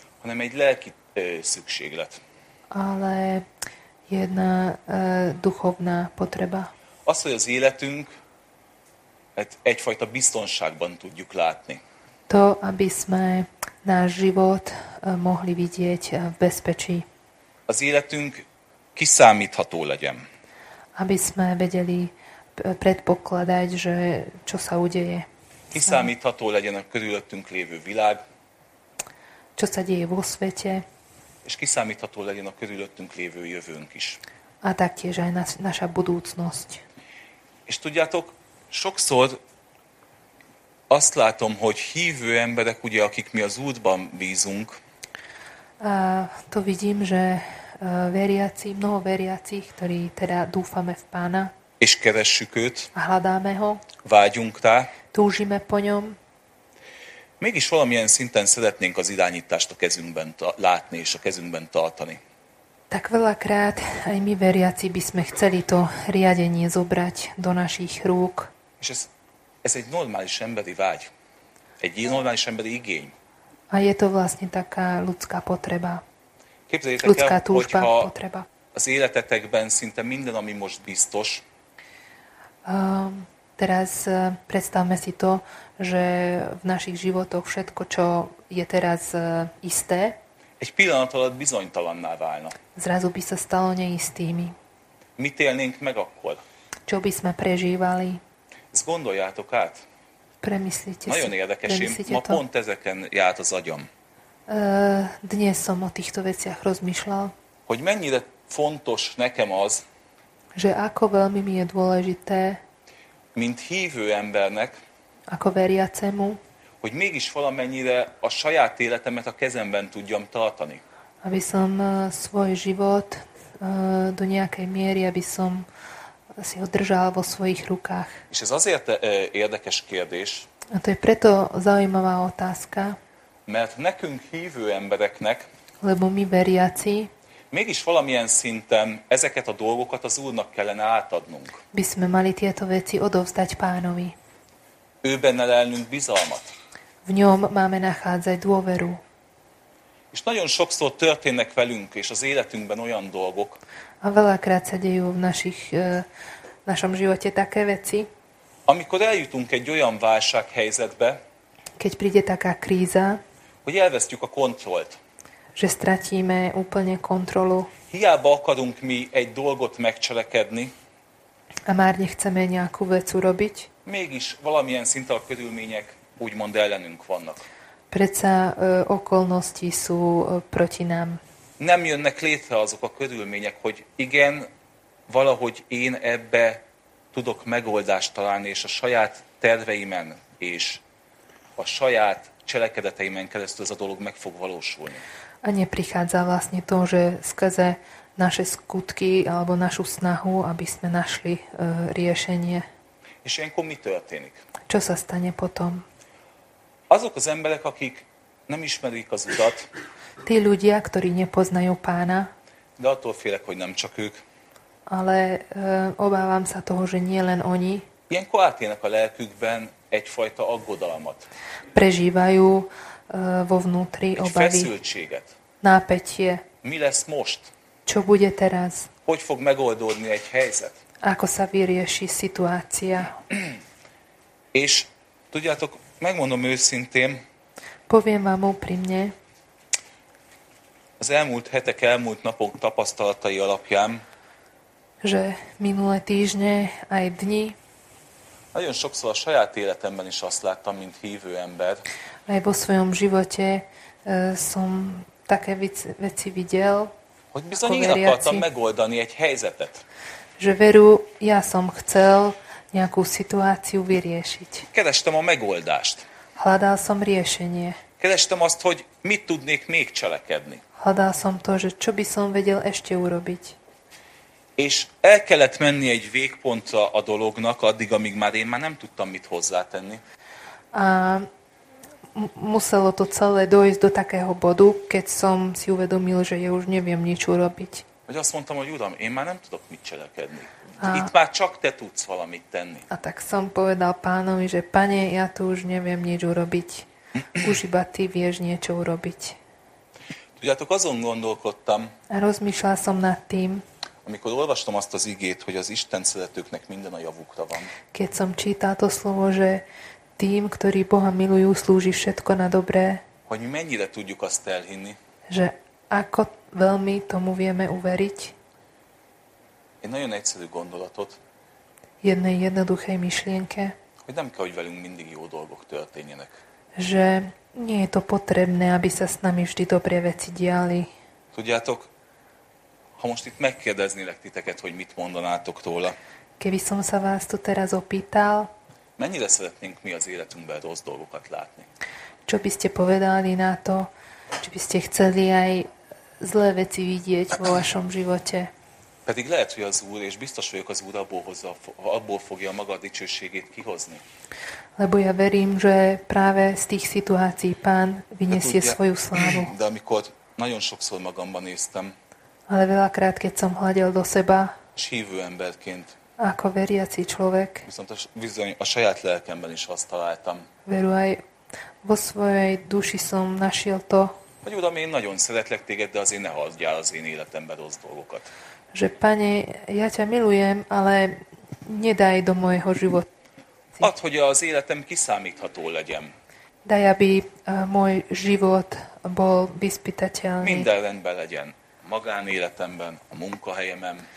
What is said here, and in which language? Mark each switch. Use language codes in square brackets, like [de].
[hu] Hanem egy lelki szükséglet. [sk] Ale jedna duchovná potreba. [hu] Az, hogy az életünk egyfajta biztonságban tudjuk látni. [sk] To, aby sme náš život mohli vidieť v bezpečí. [hu] Az életünk kiszámítható legyen. [sk] Aby sme vedeli predpokladať, že čo sa udeje. [hu] Kiszámítható legyen a körülöttünk lévő világ. [sk] Čo sa deje vo svete. [hu] És kiszámítható legyen a körülöttünk lévő jövőnk is. [sk] A taktiež aj naša budúcnosť. [hu] És tudjátok, sokszor azt látom, hogy hívő emberek, ugye, akik mi az útban bízunk. [sk] To vidím, že mnoho veriaci, ktorí teda dúfame v Pána. [hu] És keressük őt. [sk] A hľadáme ho. [hu] Vágyunk rá. [sk] túžime po ňom. [hu] Mégis valamilyen szinten szeretnénk az irányítást a kezünkben látni és a kezünkben tartani. [sk] Tak veľakrát aj my veriaci by sme chceli to riadenie zobrať do našich rúk. [hu] És ez egy normális emberi vágy. Egy normális emberi igény. [sk] A je to vlastne taká ľudská potreba. [hu] Képzeljétek [sk] ľudská [hu] el, [sk] túžba, [hu] hogyha [sk] potreba. [hu] Az életetekben szinte minden, ami most biztos. [sk] Teraz predstavme si to, že v našich životoch všetko, čo je teraz isté, [hu] egy pillanat alatt bizonytalanná válna. [sk] Zrazu by sa stalo neistými. [hu] Mit élnénk meg akkor? [sk] Čo by sme prežívali? [hu] Ezt gondoljátok át. [sk] Premyslite si. [hu] Nagyon érdekes, [sk] ma to? [hu] Pont ezeken járt az agyom. [sk] Dnes som o týchto veciach rozmýšľal. [hu] Hogy mennyire fontos nekem az, [sk] že ako veľmi mi je dôležité, [hu] mint hívő embernek, [sk] ako veriacemu, [hu] hogy mégis valamennyire a saját életemet a kezemben tudjam tartani. [sk] Aby som svoj život do nejakej miery, aby som si ho držal vo svojich rukách. [hu] És ez azért érdekes kérdés. [sk] A to je preto zaujímavá otázka. [hu] Mert nekünk hívő embereknek, [sk] lebo mi veriaci, [hu] mégis valamilyen szinten ezeket a dolgokat az Úrnak kellene átadnunk. [sk] By sme mali tieto veci odovzdať Pánovi. [hu] Ő benne lelnünk bizalmat. [sk] V ňom máme nachádzať dôveru. [hu] És nagyon sokszor történnek velünk és az életünkben olyan dolgok. [sk] A veľakrát sa dejú v našom živote také veci. [hu] Amikor eljutunk egy olyan válsághelyzetbe, [sk] keď príde taká kríza, [hu] hogy elvesztjük a kontrollt. [sk] Že stratíme úplne kontrolu. [hu] Hiába akarunk mi egy dolgot megcselekedni. [sk] A már nechceme nejakú vec urobiť. [hu] Mégis valamilyen szinte a körülmények úgymond ellenünk vannak. [sk] Predsa okolnosti sú proti nám. [hu] Nem jönnek létre azok a körülmények, hogy igen, valahogy én ebbe tudok megoldást találni, és a saját terveimen és a saját cselekedeteimen keresztül ez a dolog meg fog valósulni. [sk] A neprichádza vlastne to, že skrze naše skutky alebo našu snahu, aby sme našli riešenie. [hu] És ilyenkor mi történik? [sk] Čo sa stane potom? [hu] Azok az emberek, akik nem ismerik az utat. [sk] Tí ľudia, ktorí nepoznajú Pána. [hu] De attól félek, hogy nem csak ők. [sk] Ale obávam sa toho, že nie len oni. [hu] Ilyenkor átélnek a lelkükben egyfajta aggodalmat. [sk] Prežívajú vo vnútri obavy. [hu] Egy feszültséget. [sk] Nápetie. [hu] Mi lesz most? [sk] Čo bude teraz? [hu] Hogy fog megoldódni egy helyzet? [sk] Ako sa vyrieši situácia? [hu] És tudjátok, megmondom őszintén, [sk] poviem vám úprimne, [hu] az elmúlt hetek, elmúlt napok tapasztalatai alapján, [sk] že minulé týždne aj dni, [hu] nagyon sokszor a saját életemben is azt láttam, mint hívő ember, [sk] aj vo svojom živote som také veci videl, [hu] hogy bizony én akartam megoldani egy helyzetet, [sk] že veru, ja som chcel nejakú situáciu vyriešiť. [hu] Kerestem a megoldást. [sk] Hľadal som riešenie. [hu] Kerestem azt, hogy mit tudnék még cselekedni. [sk] Hľadal som to, že čo by som vedel ešte urobiť. [hu] És el kellett menni egy végpontra a dolognak, addig, amíg már én már nem tudtam mit hozzátenni. [sk] A muselo to celé dojsť do takého bodu, keď som si uvedomil, že ja už neviem nič urobiť. [hu] Vagy azt mondtam, hogy Uram, én már nem tudok mit cselekedni. Itt már csak te tudsz valamit tenni. [sk] A tak som povedal Pánovi, že Pane, ja tu už neviem nič urobiť. Už iba ty vieš niečo urobiť. [hu] Tudjátok, azon gondolkodtam. [sk] A rozmýšľal som nad tým. [hu] Amikor olvastam azt az igét, hogy az Isten szeretőknek minden a javukra van. [sk] Keď som čítal to slovo, že tým, ktorí Boha milujú, slúži všetko na dobré. [hu] Hogy mi mennyire tudjuk azt elhinni. [sk] Že ako veľmi tomu vieme uveriť. [hu] Egy nagyon egyszerű gondolatot. [sk] Jednej jednoduchej myšlienke. [hu] Hogy nem kell, hogy velünk mindig jó dolgok történjenek. [sk] Že nie je to potrebné, aby sa s nami vždy dobré veci diali. [hu] Tudjátok, ha most itt megkérdeznélek titeket, hogy mit mondanátok róla. [sk] Keby som sa vás tu teraz opýtal. [hu] Mennyire szeretnénk mi az életünkben rossz dolgokat látni? [sk] Čo by ste povedali na to, či by ste chceli aj zlé veci vidieť vo vašom živote? [hu] Pedig lehet, hogy az Úr, és biztos vagyok, az Úr abból fogja maga dicsőségét kihozni. [sk] Lebo ja verím, že práve z tých situácií Pán vyniesie svoju slávu. [hu] De amikor nagyon sokszor magamban néztem, [sk] ale veľakrát, keď som hľadel do seba, [hu] s hívő emberként, [sk] ako veriaci človek, [hu] viszont a saját lelkemben is azt találtam, [sk] veru aj vo svojej duši som našiel to, [hu] hogy Uram, én nagyon szeretlek téged, de azért ne hagyjál az én életemben rossz dolgokat. [sk] Že Pane, ja ťa milujem, ale nedaj do mojho života. [hu] Ad, hogy az életem kiszámítható legyen. [sk] Daj, aby môj život bol vyspytateľný. [hu] Minden rendben legyen. Magánéletemben, a munkahelyemen.